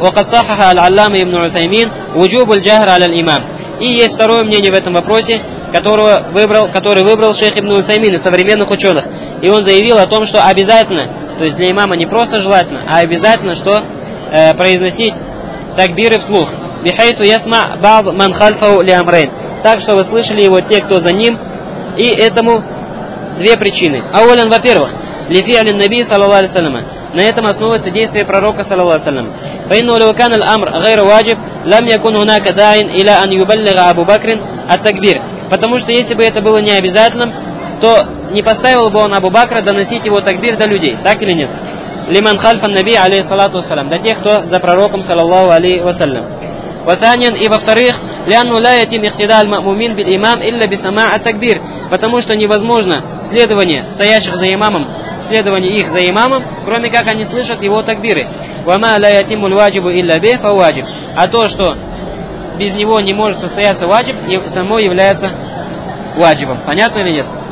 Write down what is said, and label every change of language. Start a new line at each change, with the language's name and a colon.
Arabic: وقد صحح العلامة ابن عثيمين وجوب الجهر على الإمام.
Russian: И есть второе мнение в этом вопросе, который выбрал шейх ибн Усаймин из современных ученых. И он заявил о том, что обязательно, то есть для имама не просто желательно, а обязательно, что произносить такбиры вслух.
Arabic: بحيث يسمع بعض من خلفه لأمرين,
Russian: так что вы слышали его те, кто за ним, и этому две причины.
Arabic: أولا,
Russian: во-первых,
Arabic: لفعل النبي صلى الله عليه وسلم,
Russian: на этом основывается действие пророка
Arabic: صلى الله عليه وسلم. فإنه لو كان الأمر غير واجب لم يكن هناك داع إلى أن يبلغ أبو بكر التكبير,
Russian: потому что если бы это было необязательным, то не поставил бы он Абу Бакра доносить его такбир до людей, так или нет?
Arabic: لمن خلف النبي عليه الصلاة والسلام,
Russian: до тех, кто за пророком
Arabic: صلى الله عليه وسلم. وثانيا,
Russian: и во-вторых,
Arabic: لأنه لا يتم اقتداء المأمومين بالإمام إلا بسماع التكبير,
Russian: потому что невозможно следование стоящих за имамом, следование их за имамом, кроме как они слышат его такбиры.
Arabic: وما لا يتم الواجب إلا به فواجب,
Russian: а то, что без него не может состояться ваджиб, само является ваджибом. Понятно или нет?